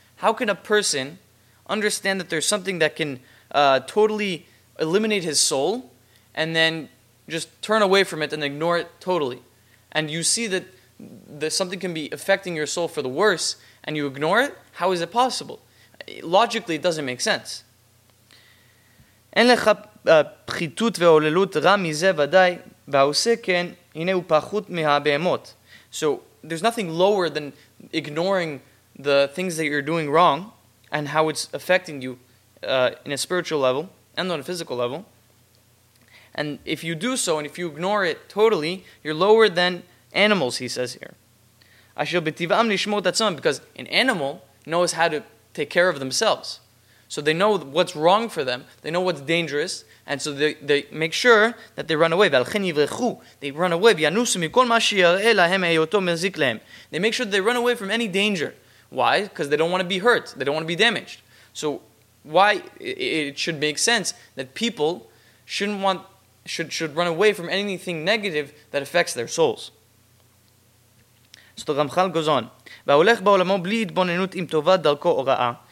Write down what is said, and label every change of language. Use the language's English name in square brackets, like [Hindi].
[English] How can a person understand that there's something that can totally eliminate his soul and then just turn away from it and ignore it totally? And you see that something can be affecting your soul for the worse and you ignore it? How is it possible? Logically, it doesn't make sense. [Hebrew] אין לך פחיתות ועוללות רע מזה ודאי, והעושה כן, הנה הוא פחות מהבהמות. [English] So, there's nothing lower than ignoring the things that you're doing wrong and how it's affecting you in a spiritual level and on a physical level. And if you do so, and if you ignore it totally, you're lower than animals, he says here. [Hebrew] אשר בטבעם לשמור את עצמם, [English] because an animal knows how to take care of themselves. So they know what's wrong for them, they know what's dangerous, and so they make sure that they run away. [Hebrew] ולכן יברחו, [English] they run away, [Hebrew] וינוסו מכל מה שיראה להם היותו מזיק להם. [English] They make sure that they run away from any danger. Why? Because they don't want to be hurt, they don't want to be damaged. So why it should make sense that people should run away from anything negative that affects their souls. So the Ramchal goes on. [Hebrew] והולך בעולמו בלי התבוננות עם טובה דרכו או רעה.